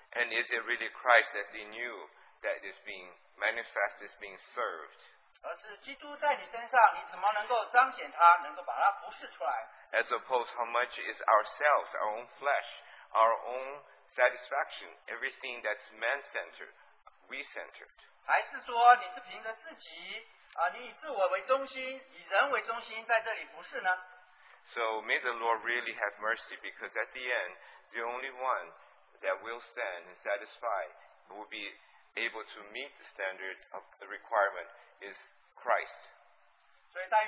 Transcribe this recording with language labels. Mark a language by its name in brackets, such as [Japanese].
[English] And is it really Christ that's in you that is being manifest, is being served? [Chinese] 而是基督在你身上,你怎么能够彰显他,能够把他服侍出来? [English] As opposed, how much is ourselves, our own flesh, our own satisfaction, everything that's man-centered, we-centered? [Chinese] 还是说你是凭着自己,你以自我为中心,以人为中心在这里服侍呢? [English] So may the Lord really have mercy, because at the end, the only one that will stand and satisfy will be able to meet the standard of the requirement is Christ.